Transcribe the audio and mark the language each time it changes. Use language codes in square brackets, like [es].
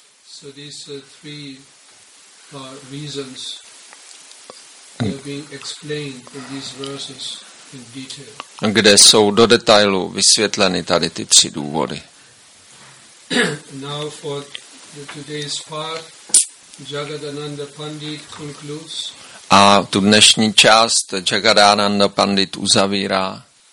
[en] So these three reasons are being explained in these verses in detail. [cs] Kde jsou do detailu vysvětleny tady ty tři důvody? [en] Now for the today's part, Jagadananda Pandit concludes. [cs] A tu dnešní část Jagadananda Pandit uzavírá.